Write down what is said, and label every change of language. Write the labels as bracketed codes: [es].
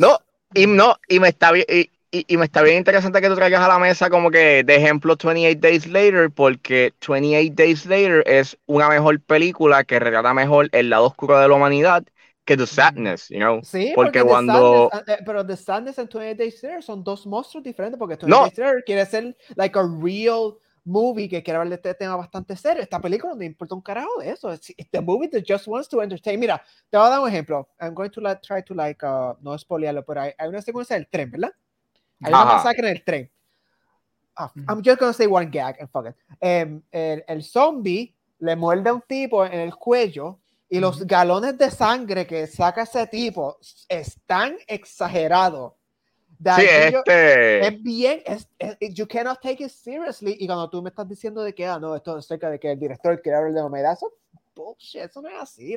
[es] No, y no, y me está bien, y me está bien interesante que tú traigas a la mesa como que de ejemplo 28 Days Later, porque 28 Days Later es una mejor película que retrata mejor el lado oscuro de la humanidad [en] que The Sadness, you know. [es] Sí, porque cuando... Sadness, pero The Sadness and 28 Days Later son dos monstruos diferentes, porque 28 Days Later quiere ser [en] like a real movie, [es] que quiere hablar de este tema bastante serio. Esta película no importa un carajo de eso. [en] It's the movie that just wants to entertain. [es] Mira, te voy a dar un ejemplo. [en] I'm going to like, [es] try to like, no spoilearlo, pero hay una secuencia del tren, ¿verdad? Hay una masacre en el tren. [en] Oh, I'm just going to say one gag and fuck it. [es] El zombie le muerde a un tipo en el cuello y los galones de sangre que saca ese tipo es tan exagerado. Sí, este... Es bien, [en] you cannot take it seriously. [es] Y cuando tú me estás diciendo de que, ah, no, esto es acerca de que el director quiere hablar de humedad, eso, bullshit, eso no es así.